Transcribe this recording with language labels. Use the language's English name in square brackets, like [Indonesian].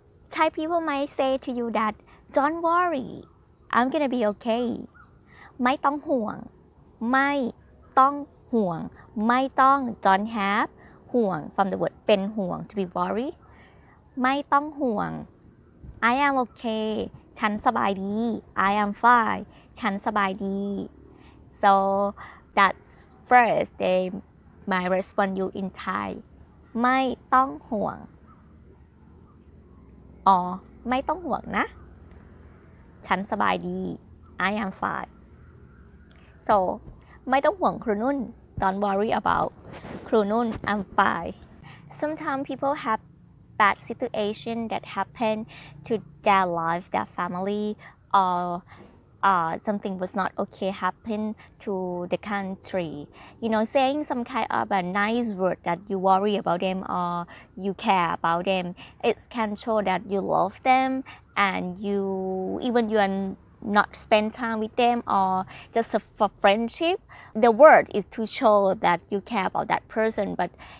[English] Thai people might say to you that don't worry, I'm gonna be okay. [Thai] ไม่ต้องห่วงไม่ต้องห่วงไม่ต้อง [English] don't have ห่วง from the word เป็นห่วง to be worried. [Thai] ไม่ต้องห่วง [English] I am okay. [Thai] ฉันสบายดี [English] I am fine. [Thai] ฉันสบายดี [English] So that's first they might respond you in Thai [Thai] ไม่ต้องห่วงไม่ต้องห่วงนะฉันสบายดี [English] I am fine so [Thai] ไม่ต้องห่วงครูนุ่น [English] Don't worry about ครูนุ่น I'm fine Sometimes people have bad situation that happen to their life, their family or something was not okay happen to the country you know saying some kind of a nice word that you worry about them or you care about them it can show that you love them and you even you are not spend time with them or just for friendship the word is to show that you care about that person but